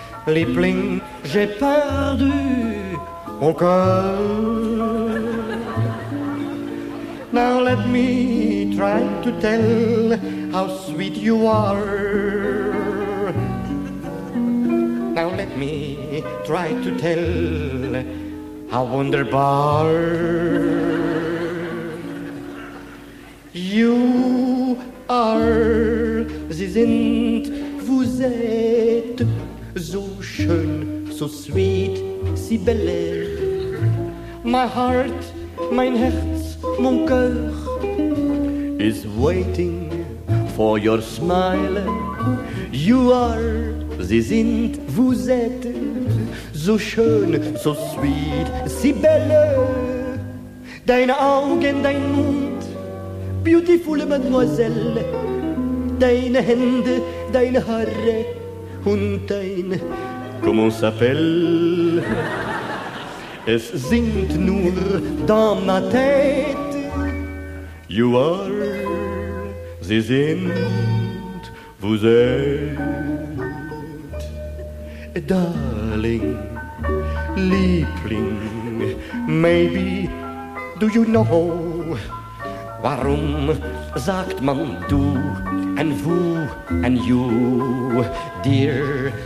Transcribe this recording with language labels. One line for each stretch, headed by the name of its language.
French: Liebling, j'ai perdu mon cœur.
English: Now let me try to tell how sweet you are. Now let me try to tell how wunderbar. You are,
German: sie sind,
French: vous êtes,
German: so schön,
English: so sweet,
French: si belle.
English: My heart,
German: mein Herz,
French: mon cœur,
English: is waiting for your smile. You are,
German: sie sind,
French: vous êtes,
German: so schön,
English: so sweet,
French: si belle.
German: Deine Augen, dein Mund,
English: beautiful mademoiselle.
German: Deine Hände, deine Haare und dein...
French: Comment s'appelle?
German: Es singt nur
French: dans ma tête.
German: You are, sie sind,
French: vous êtes.
English: Darling, Liebling, maybe do you know?
German: Warum sagt man du and wo
English: and you, dear?